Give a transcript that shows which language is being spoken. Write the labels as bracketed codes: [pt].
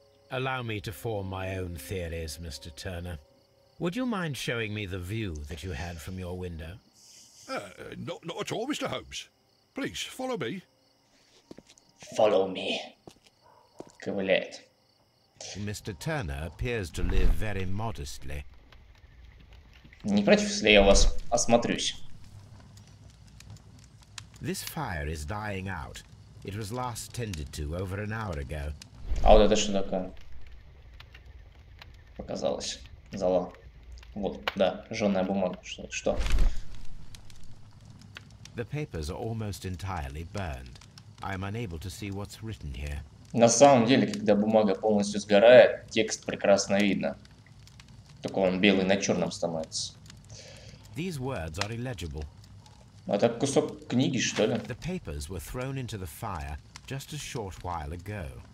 [en] Allow me to form my own theories, Mr. Turner. Would you mind showing me the view that you had from your window? Not at all, Mr. Holmes. Please, follow me. Follow me. [ru] Ковыляет. [en] Mr. Turner appears to live very modestly. [ru] Не против, если я вас осмотрюсь? [en] This fire is dying out. It was last tended to over an hour ago. [ru] А вот это что такое? Показалось. Зало. Вот, да, жжёная бумага. Что? [en] The papers are almost entirely burned. I am unable to see what's written here. [ru] На самом деле, когда бумага полностью сгорает, текст прекрасно видно. Только он белый на черном становится. [en] These words are illegible. [ru] Это кусок книги, что ли? [en] The papers were thrown into the fire just a short while ago.